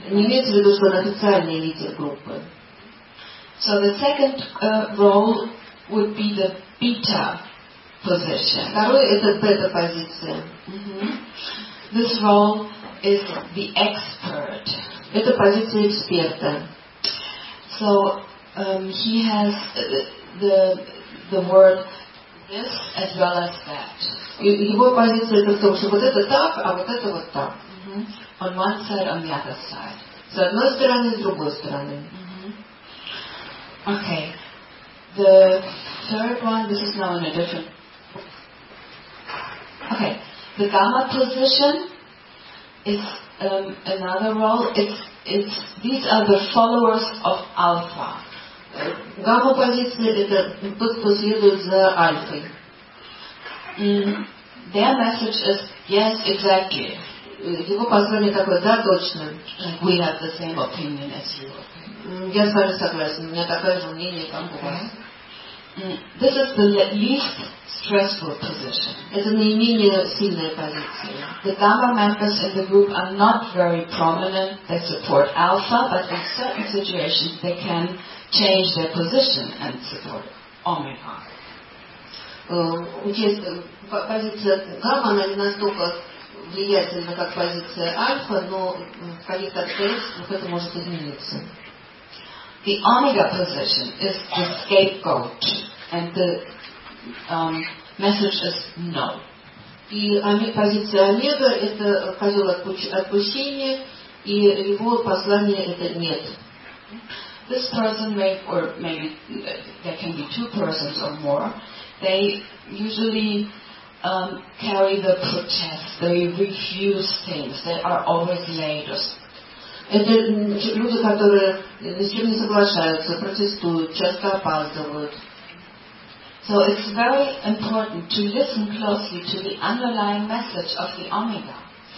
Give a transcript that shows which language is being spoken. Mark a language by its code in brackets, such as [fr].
[ru] Не имеется в виду, что он официальный лидер группы. [en] So the second role would be the beta position. [ru] Второй – это бета-позиция. [en] This role is the expert. [ru] Это позиция эксперта. [en] So he has the word this as well as that. [ru] Его позиция это в том, что вот это так, а вот это вот так. [en] On one side, on the other side. [ru] С одной стороны, с другой стороны. [en] Okay. The third one, this is now in a different. Okay. The gamma position is another role. It's these are the followers of alpha. [ru] Гамма позиция это тот, кто следует за альфой. [en] Their message is yes, exactly. [ru] Его послание такое, да, точно. [en] We have the same opinion as you. [ru] Я с вами согласен. У меня такое же мнение, как у вас. [en] This is the least stressful position. [ru] Это наименее сильная позиция. [en] The gamma members in the group are not very prominent. They support alpha, but in certain situations they can change their position and support omega. [ru] Позиция гамма, она не настолько влиятельна, как позиция альфа, но в каких-то обстоятельствах это может измениться. [en] The omega position is the scapegoat and the message is no. [ru] И позиция Омега – это козел отпущения, и его послание – это нет. [en] This person may, or maybe there can be two persons or more, they usually carry the protest, they refuse things, they are always late. [ru] Это люди, которые ни с чем не соглашаются, протестуют, часто опаздывают. [en] So it's very important to listen closely to the underlying message of the Omega.